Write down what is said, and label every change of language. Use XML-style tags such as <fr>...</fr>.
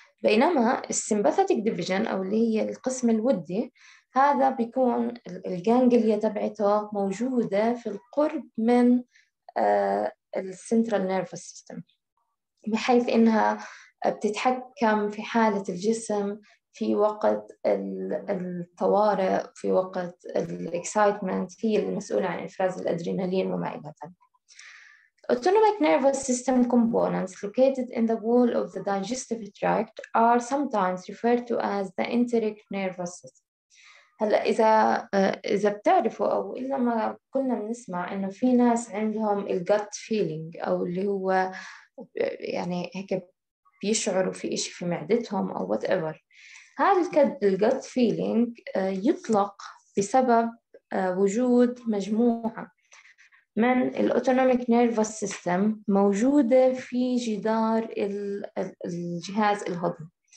<ar>بينما السيمباثيتك ديفيجن أو اللي هي القسم الودي، هذا بيكون الجانجليا تبعته موجودة في القرب من السنترال نيرفس سيستم، بحيث إنها بتتحكم في حالة الجسم في وقت الطوارئ، في وقت الإكسايتمنت، هي المسؤولة عن إفراز الأدرينالين وما إلى ذلك.</ar> <en>Autonomic nervous system components located in the wall of the digestive tract are sometimes referred to as the enteric nervous system.</en> <ar>هلا اذا بتعرفوا او الا ما كنا بنسمع انه في ناس عندهم الجت فيلينج او اللي هو يعني هيك بيشعروا في إشي في معدتهم او وات ايفر، هذا الجت فيلينج يطلق بسبب وجود مجموعه من الاوتونوميك نيرفس سيستم موجوده في جدار الجهاز الهضمي.</ar>